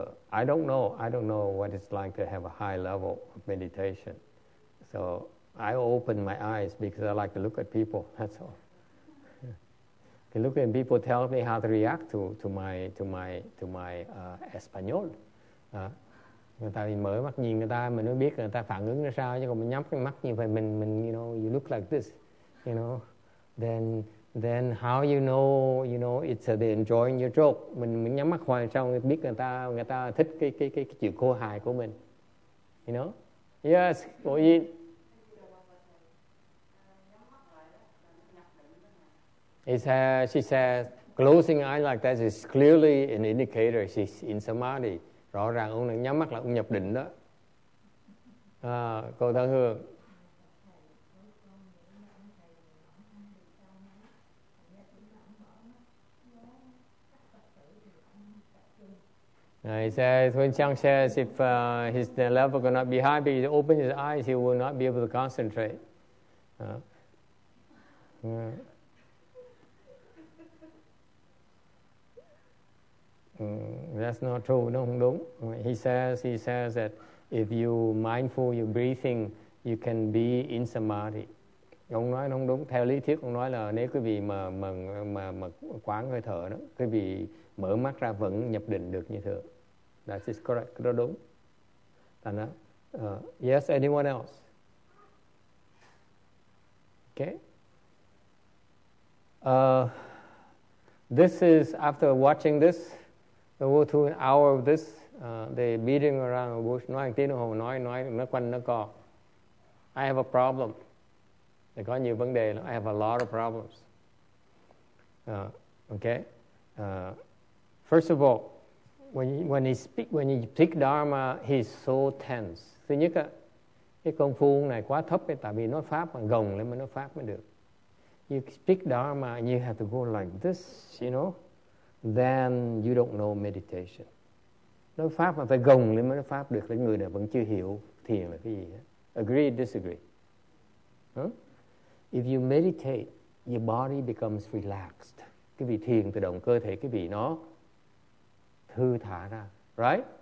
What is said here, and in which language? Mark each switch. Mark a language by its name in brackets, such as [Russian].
[English] I don't know what it's like to have a high level of meditation. So I open my eyes because I like to look at people. That's all. Yeah. Look at people, tell me how to react to my Espanol. [Vietnamese] Người ta mở mắt nhìn người ta, mình mới biết người ta phản ứng ra sao. Chứ còn mình nhắm cái mắt như vậy, mình [English] you know, you look like this. You know, then how you know it's they enjoying your joke. [Vietnamese] Mình nhắm mắt hoài trong biết người ta thích cái chữ khô hài của mình. [English] You know? Yes, Bộ Yên. She says, closing eyes like that is clearly an indicator she's in samadhi. [Vietnamese] Rõ ràng ông nhắm mắt là ông nhập định đó. Cô Thân Hương. [English] He says, when Chang says if his level could not be high because he opens his eyes, he will not be able to concentrate. That's not true. No, [Vietnamese] không đúng. [English] He says that if you mindful, you breathing, you can be in samadhi. [Vietnamese] Ông nói không đúng. Theo lý thuyết, ông nói là nếu quý vị mà quán hơi thở đó, quý vị mở mắt ra vẫn nhập định được như thường. [English] That is correct. [Vietnamese] Cái đó đúng. Thành đó. [English] Yes, anyone else? Okay. This is, after watching this, we go through an hour of this, the beating around the bush, [Vietnamese] nói một tiếng đồng hồ, nói, nó quanh, nó co. [English] I have a problem. [Vietnamese] Để có nhiều vấn đề, [English] I have a lot of problems. Okay. First of all, When he speak Dharma, he's so tense. [Vietnamese] Thứ nhất á, cái công phu này quá thấp ấy, tại vì nói pháp mà gồng lên mới nói pháp mới được. [English] You speak Dharma, and you have to go like this, you know, then you don't know meditation. [Vietnamese] Nói pháp mà phải gồng lên mới nói pháp được, là người này vẫn chưa hiểu thiền là cái gì hết. [English] Agree, disagree. If you meditate, your body becomes relaxed. [Vietnamese] Cái vị thiền tự động cơ thể cái vị nó thư thả ra, right?